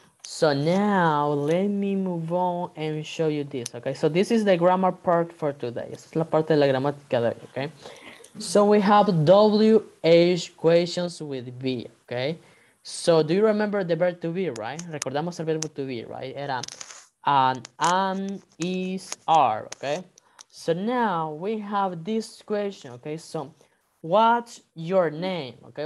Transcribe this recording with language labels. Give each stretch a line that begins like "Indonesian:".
English: So now let me move on and show you this, okay? So this is the grammar part for today.
Spanish: Esta es la parte de la gramática de hoy, okay?
English: So we have WH questions with be, okay? So do you remember the verb to be, right?
Spanish: Recordamos el verbo to be,
English: right?
Spanish: Era.
English: And is, are,
Spanish: okay?
English: So now we have this question, okay? So what's your name, okay?